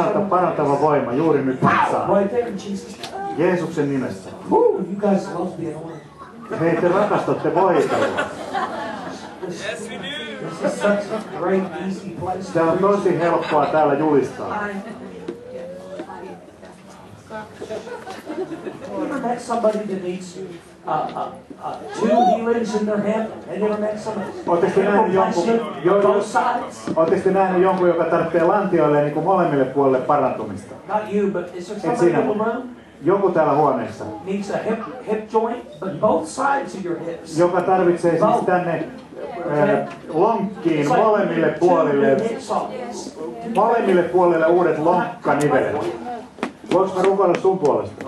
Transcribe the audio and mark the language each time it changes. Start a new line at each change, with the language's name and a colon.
Finnish: Parantava voima juuri nyt vatsaan. Jeesuksen nimessä.
English: Woo, you guys love the anointing.
Finnish: Hei, te rakastatte voitelua.
English: Yes, we do. This is such a great, easy place.
Finnish: Tää on tosi helppoa täällä julistaa.
English: Have you ever met somebody that needs two healings in their hip? Have you ever met somebody?
Finnish: Oletko nähnyt jonkun,
English: both sides?
Finnish: Oletko nähnyt jonkun, joka tarvitsee lantioille niin kuin molemmille puolille parantumista?
English: Not you, but is there somebody in the room?
Finnish: Joku täällä huoneessa.
English: Needs a hip joint, but both sides of your hips.
Finnish: Joka tarvitsee both. Siis tänne lonkkiin, molemmille puolille. Molemmille puolille uudet lonkkanivelet. Voinko mä rukoilla sun puolesta?